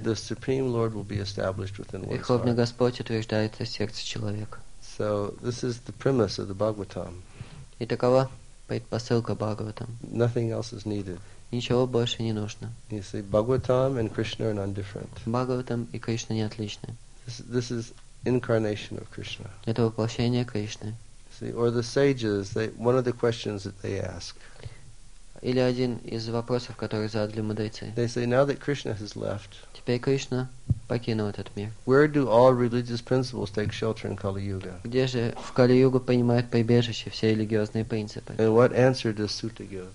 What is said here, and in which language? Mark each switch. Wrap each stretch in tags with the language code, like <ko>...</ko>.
<en>the Supreme Lord will be established within one's heart.</en> <ru>Верховный Господь утверждается в сердце человека.</ru> <en>So this is the premise of the Bhagavatam.</en> <ru>И такова предпосылка Бхагаватам.</ru> <en>Nothing else is needed.</en> <ru>Ничего больше не нужно.</ru> <en>You see, Bhagavatam and Krishna are non-different.</en> <ru>Бхагаватам и Кришна не отличны.</ru> <en>This is incarnation of Krishna.</en> <ru>Это воплощение Кришны.</ru> <en>See, or the sages, one of the questions that they ask.</en> <ru>Или один из вопросов, которые задали мудрецы.</ru> <en>They say, now that Krishna has left.</en> <ru>Теперь Кришна покинул этот мир.</ru> <en>Where do all religious principles take shelter in Kali Yuga?</en> <ru>Где же в Кали Югу принимают прибежище все религиозные принципы?</ru> <en>And what answer does Sutta give?</en>